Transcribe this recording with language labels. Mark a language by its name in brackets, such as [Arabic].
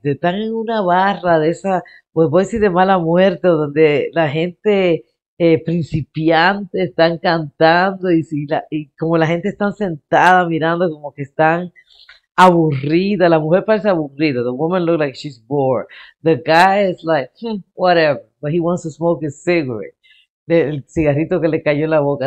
[Spanish] Están en una barra de esa, pues voy a decir de mala muerte, donde la gente principiante están cantando y como la gente está sentada mirando como que están aburrida. La mujer parece aburrida. [English] The woman looks like she's bored. The guy is like, whatever, but he wants to smoke a cigarette. [Spanish] El cigarrito que le cayó en la boca.